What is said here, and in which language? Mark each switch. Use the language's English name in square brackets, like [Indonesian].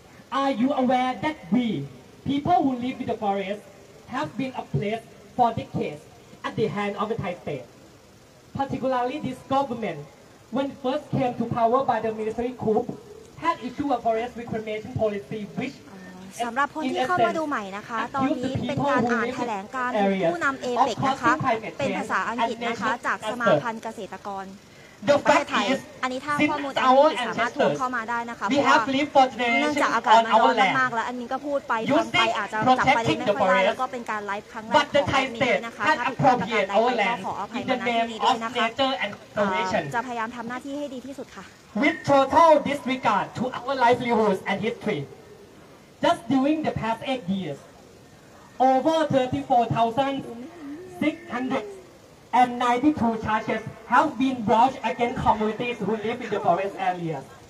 [English] Are you aware that we, people who live in the forest, have been a place for decades at the hand of the Thai state, particularly this government? When it first came to power by the ministry coup, had issued a forest reclamation policy which, [Thai] สำหรับคนที่เข้ามาดูใหม่นะคะตอนนี้เป็นการอ่านแถลงการผู้นำเอเปกนะคะเป็นภาษาอังกฤษนะคะจากสมาพันธ์เกษตรกรของประเทศไทยอันนี้ถ้าข้อมูลอันนี้สามารถถูกเข้ามาได้นะคะเพราะว่ าเนื่องจากอากาศมันร้อนมากแล้วอันนี้ก็พูดไปทำไปอาจจะจับประเด็นไม่ค่อยได้แล้วก็เป็นการไลฟ์ครั้งแรกของ ไทยนะคะถ้าผิดกฎหมายอะไรก็ขออภัยในนี้ด้วยนะคะ จะพยายามทำหน้าที่ให้ดีที่สุดค่ะ [English] With total disregard to our livelihoods and history just during the past 8 years over 34,692 charges have been brought against communities who live in the forest area.